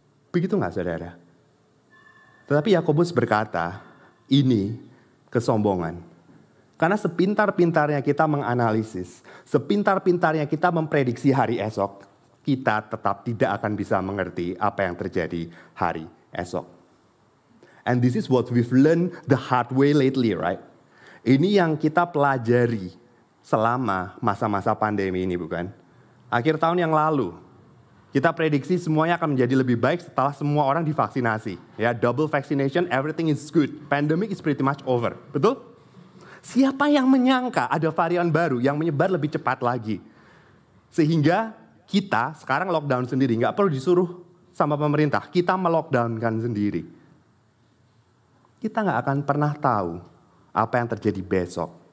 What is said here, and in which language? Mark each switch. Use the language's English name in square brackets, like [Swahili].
[Indonesian] Begitu gak saudara? Tetapi Yakobus berkata, ini kesombongan. Karena sepintar-pintarnya kita menganalisis, sepintar-pintarnya kita memprediksi hari esok, kita tetap tidak akan bisa mengerti apa yang terjadi hari esok. [English] And this is what we've learned the hard way lately, right? [Indonesian] Ini yang kita pelajari selama masa-masa pandemi ini, bukan? Akhir tahun yang lalu, kita prediksi semuanya akan menjadi lebih baik setelah semua orang divaksinasi. [English] Ya, double vaccination, everything is good. Pandemic is pretty much over, [Indonesian] betul? Siapa yang menyangka ada varian baru yang menyebar lebih cepat lagi? Sehingga kita sekarang lockdown sendiri, gak perlu disuruh sama pemerintah. Kita melockdownkan sendiri. Kita gak akan pernah tahu apa yang terjadi besok.